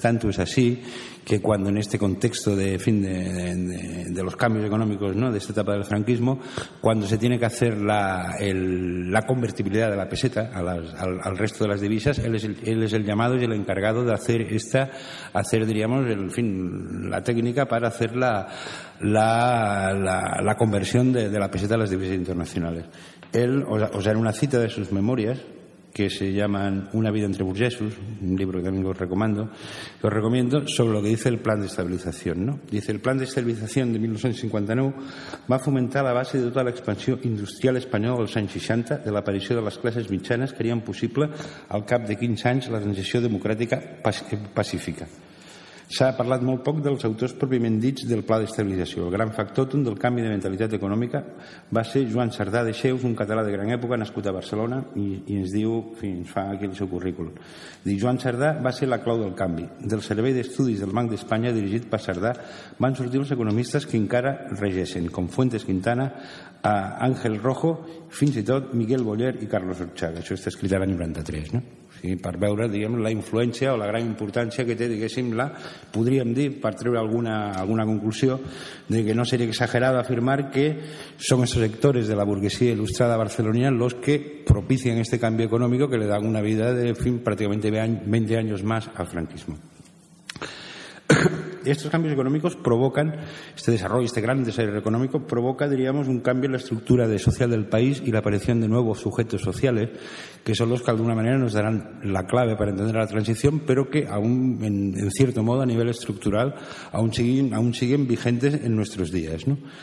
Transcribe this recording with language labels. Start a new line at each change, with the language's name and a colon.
Spanish: Tanto es así que cuando, en este contexto de los cambios económicos, ¿no?, de esta etapa del franquismo, cuando se tiene que hacer la convertibilidad de la peseta al resto de las divisas, él es el llamado y el encargado de hacer, diríamos, la técnica para hacer la conversión de la peseta a las divisas internacionales. Él, o sea, en una cita de sus memorias, que se llaman Una vida entre burguesos, un libro que también os recomiendo, sobre lo que dice el plan de estabilización, ¿no? Dice: el plan de estabilización de 1959
Catalan: va a fomentar la base de tota la expansió industrial espanyola dels anys 60, de l'aparició de les classes mitjanes, que harien possible al cap de 15 anys la transició democràtica pacífica. S'ha parlat molt poc dels autors pròpiament dits del pla d'estabilització. El gran factòtum del canvi de mentalitat econòmica va ser Joan Sardà de Xeus, un català de gran època nascut a Barcelona, i ens diu, fins fa aquí el seu currículum. Diu: Joan Sardà va ser la clau del canvi. Del servei d'estudis del Banc d'Espanya, dirigit per Sardà, van sortir els economistes que encara regeixen, com Fuentes Quintana, Àngel Rojo, fins i tot Miguel Boller i Carlos Orchard. Això està escrit l'any 93, no? I per veure, diguem, la influència o la gran importància que té, diguéssim, la, podríem dir, per treure alguna conclusió, de que
Spanish: no seria exagerado
Catalan: afirmar que són aquests sectors de la burguesia il·lustrada barcelonina els que propician aquest canvi econòmic que li dan una vida de, en fin, pràcticament 20 anys més al franquisme.
Spanish: Estos cambios económicos provocan, este desarrollo, este gran desarrollo económico, provoca, diríamos, un cambio en la estructura social del país y la aparición de nuevos sujetos sociales, que son los que, de alguna manera, nos darán la clave para entender la transición, pero que, aún, en cierto modo, a nivel estructural, aún siguen vigentes en nuestros días, ¿no?